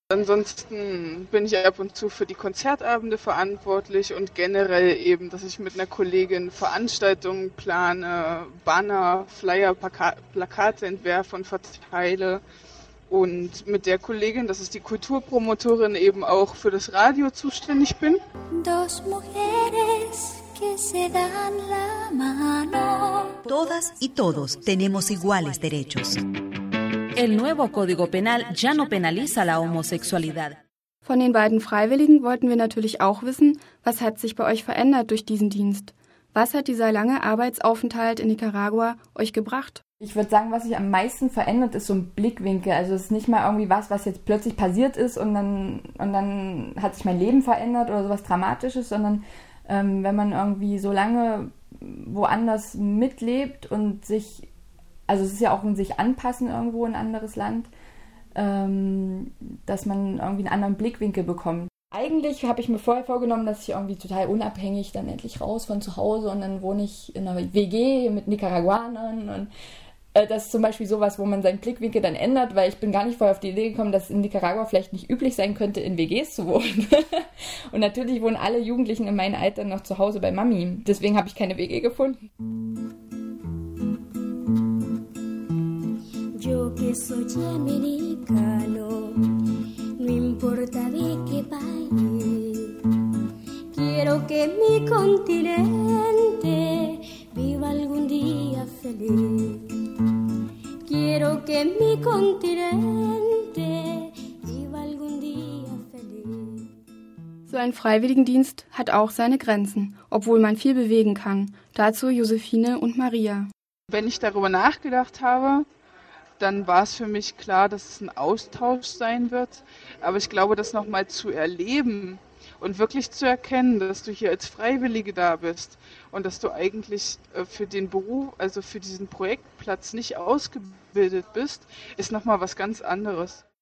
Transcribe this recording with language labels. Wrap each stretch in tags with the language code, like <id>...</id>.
<de>Ansonsten bin ich ab und zu für die Konzertabende verantwortlich und generell eben, dass ich mit einer Kollegin Veranstaltungen plane, Banner, Flyer, Plakate entwerfe und verteile. Und mit der Kollegin, das ist die Kulturpromotorin, eben auch für das Radio zuständig bin.</de> <es>Dos mujeres. Todas y todos tenemos iguales derechos. El nuevo Código Penal ya no penaliza la homosexualidad.</es> <de>Von den beiden Freiwilligen wollten wir natürlich auch wissen, was hat sich bei euch verändert durch diesen Dienst? Was hat dieser lange Arbeitsaufenthalt in Nicaragua euch gebracht? Ich würde sagen, was sich am meisten verändert, ist so ein Blickwinkel. Also es ist nicht mal irgendwie was, was jetzt plötzlich passiert ist und dann hat sich mein Leben verändert oder sowas Dramatisches, sondern wenn man irgendwie so lange woanders mitlebt und sich, also es ist ja auch ein sich anpassen irgendwo in ein anderes Land, dass man irgendwie einen anderen Blickwinkel bekommt. Eigentlich habe ich mir vorher vorgenommen, dass ich irgendwie total unabhängig dann endlich raus von zu Hause und dann wohne ich in einer WG mit Nicaraguanern und das ist zum Beispiel sowas, wo man seinen Blickwinkel dann ändert, weil ich bin gar nicht vorher auf die Idee gekommen, dass es in Nicaragua vielleicht nicht üblich sein könnte, in WGs zu wohnen. Und natürlich wohnen alle Jugendlichen in meinem Alter noch zu Hause bei Mami. Deswegen habe ich keine WG gefunden.</de> <es>Yo que soy americano, no importa de qué país. Quiero que mi continente viva algún día feliz. Quiero que mi continente viva algún día feliz.</es> <de>So ein Freiwilligendienst hat auch seine Grenzen, obwohl man viel bewegen kann. Dazu Josefine und Maria. Wenn ich darüber nachgedacht habe, dann war es für mich klar, dass es ein Austausch sein wird. Aber ich glaube, das nochmal zu erleben und wirklich zu erkennen, dass du hier als Freiwillige da bist und dass du eigentlich für den Beruf, also für diesen Projektplatz nicht ausgebildet bist, ist nochmal was ganz anderes.</de>